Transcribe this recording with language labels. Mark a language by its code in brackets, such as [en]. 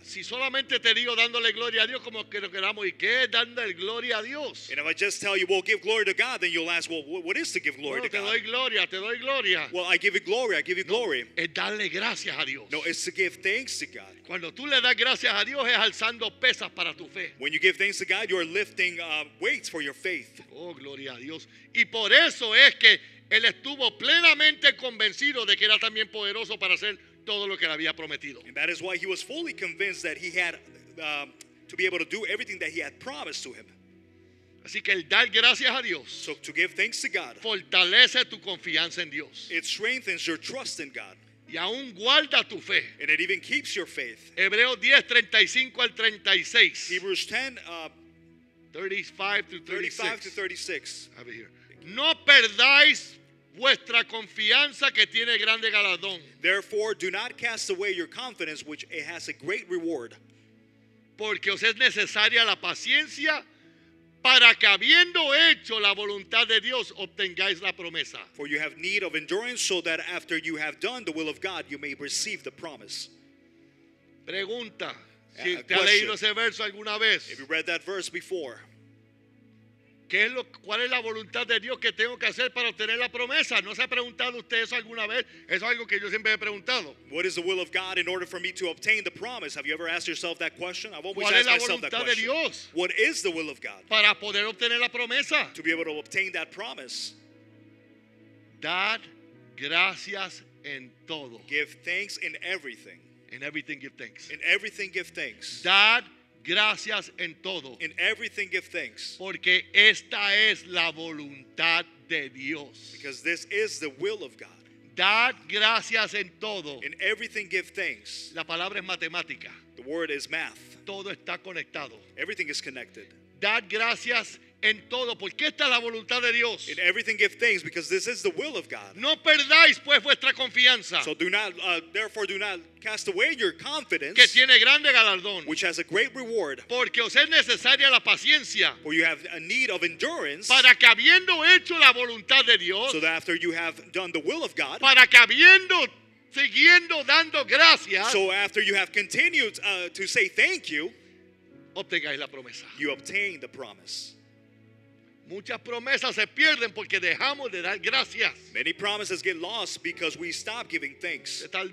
[es] Si solamente te digo dándole gloria a Dios, como que lo queramos, ¿y qué es dándole gloria a Dios? [en] And if I just tell you, well, give glory to God, then you'll ask, well, what is to give glory [es] bueno, [en] to God? [es] Te doy gloria, te doy gloria. [en] Well, I give you glory, I give you [es] no, [en] glory. [es] Es darle gracias a Dios. [en] No, it's to give thanks to God. [es] Cuando tú le das gracias a Dios, es alzando pesas para tu fe. [en] When you give thanks to God, you are lifting weights for your faith. [es] Oh, gloria a Dios. Y por eso es que él estuvo plenamente convencido de que era también poderoso para hacer todo lo que había prometido. [en] And that is why he was fully convinced that he had to be able to do everything that he had promised to him. [es] Así que el dar gracias a Dios, [en] so to give thanks to God, [es] fortalece tu confianza en Dios. [en] It strengthens your trust in God. [es] Y aún guarda tu fe. [en] And it even keeps your faith. [es] Hebreos 10:35-36. [en] Hebrews 10, 35 to 36. Over here. [es] No perdáis vuestra confianza que tiene grande galardón. [en] Therefore, do not cast away your confidence, which it has a great reward. [es] Porque os es necesaria la paciencia para que habiendo hecho la voluntad de Dios obtengáis la promesa. [en] For you have need of endurance so that after you have done the will of God you may receive the promise. [es] Pregunta, si te ha leído ese verso alguna vez. [en] If you read that verse before. [es] ¿Cuál es la voluntad de Dios que tengo que hacer para obtener la promesa? ¿No se ha preguntado usted eso alguna vez? Eso es algo que yo siempre he preguntado. [en] What is the will of God in order for me to obtain the promise? Have you ever asked yourself that question? I've always asked myself that question. [es] ¿Cuál es la voluntad de Dios? [en] What is the will of God? [es] Para poder obtener la promesa. [en] To be able to obtain that promise. [es] Dad, gracias en todo. [en] Give thanks in everything. In everything give thanks. In everything give thanks. [es] Dad, gracias en todo. [en] In everything give thanks. [es] Porque esta es la voluntad de Dios. [en] Because this is the will of God. [es] Dad gracias en todo. [en] In everything give thanks. [es] La palabra es matemática. [en] The word is math. [es] Todo está conectado. [en] Everything is connected. [es] Dad gracias en todo, porque esta es la voluntad de Dios. [en] In everything give thanks because this is the will of God. [es] No perdáis pues vuestra confianza. [en] So do not, therefore do not cast away your confidence. [es] Que tiene grande galardón. [en] Which has a great reward. [es] Porque os es necesaria la paciencia. [en] For you have a need of endurance. [es] Para que habiendo hecho la voluntad de Dios. [en] So that after you have done the will of God. [es] Para que habiendo siguiendo dando gracias. [en] So after you have continued to say thank you. [es] Obtengáis la promesa. [en] You obtain the promise. [es] Muchas promesas se pierden porque dejamos de dar gracias. [en] Many promises get lost because we stop giving thanks.